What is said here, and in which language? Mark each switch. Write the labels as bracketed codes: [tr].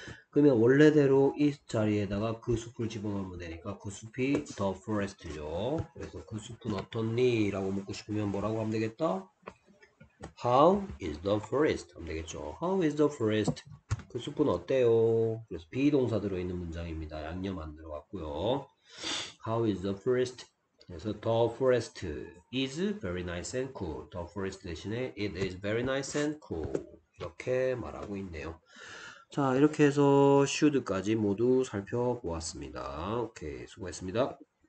[ko] 그러면 원래대로 이 자리에다가 그 숲을 집어넣으면 되니까 그 숲이 [en] the forest [ko] 죠. 그래서 그 숲은 어떻니? 라고 묻고 싶으면 뭐라고 하면 되겠다? [en] How is the forest? 하면 되겠죠. How is the forest? [ko] 그 숲은 어때요? 그래서 비동사 들어있는 문장입니다. 양념 안 들어갔고요. [en] How is the forest? [ko] 그래서 [en] the forest is very nice and cool. The forest [ko] 대신에 [en] it is very nice and cool. [ko] 이렇게 말하고 있네요. 자, 이렇게 해서 should까지 모두 살펴보았습니다. 오케이, 수고했습니다.